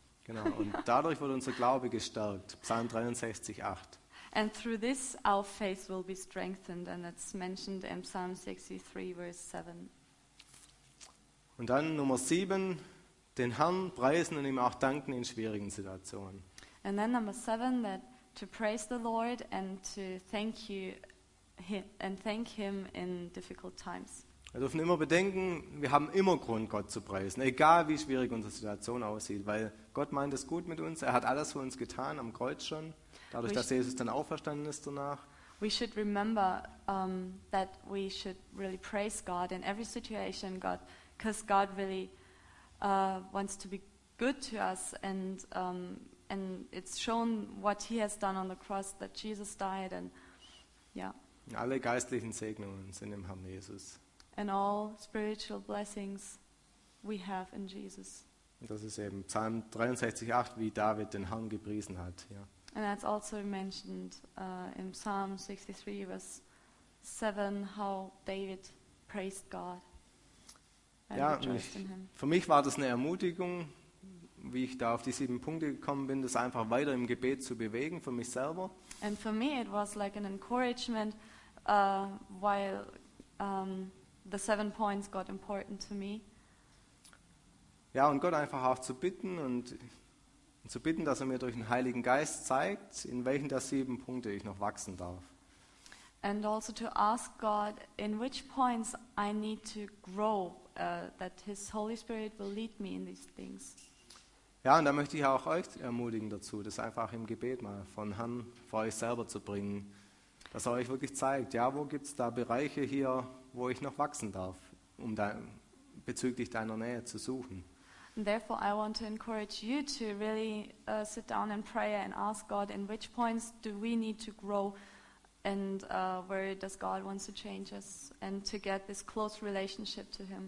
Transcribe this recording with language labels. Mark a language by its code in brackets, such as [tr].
[de] Genau, und dadurch wird unser Glaube gestärkt. Psalm 63:8. [en] And through this our faith will be strengthened. And it's mentioned in Psalm 63, verse 7. [de] Und dann Nummer 7, den Herrn preisen und ihm auch danken in schwierigen Situationen. [en] And then number 7, that to praise the Lord and to thank you and thank him in difficult times. [de] Wir dürfen immer bedenken, wir haben immer Grund, Gott zu preisen, egal wie schwierig unsere Situation aussieht, weil Gott meint es gut mit uns, er hat alles für uns getan am Kreuz schon, dadurch, dass Jesus dann auferstanden ist danach. [en] We should remember that we should really praise God in every situation, God, because God really wants to be good to us and it's shown what he has done on the cross, that Jesus died and [de] Alle geistlichen Segnungen sind im Herrn Jesus. [en] And all spiritual blessings we have in Jesus. [de] Und das ist eben Psalm 63:8, wie David den Herrn gepriesen hat, ja. [en] And that's also mentioned in Psalm 63 verse 7 how David praised God. [de] And ja, für mich war das eine Ermutigung, wie ich da auf die 7 Punkte gekommen bin, das einfach weiter im Gebet zu bewegen für mich selber. [en] And for me it was like an encouragement while the 7 points got important to me. [de] Ja, und Gott einfach auch zu bitten und zu bitten, dass er mir durch den Heiligen Geist zeigt, in welchen der 7 Punkte ich noch wachsen darf. [en] And also to ask God in which points I need to grow, that his Holy Spirit will lead me in these things. [de] Ja, und da möchte ich auch euch ermutigen dazu, das einfach im Gebet mal von Herrn vor euch selber zu bringen, dass er euch wirklich zeigt, ja, wo gibt es da Bereiche hier, wo ich noch wachsen darf, um da bezüglich deiner Nähe zu suchen. [en] And therefore I want to encourage you to really sit down in prayer and ask God in which points do we need to grow and where does God want to change us and to get this close relationship to him.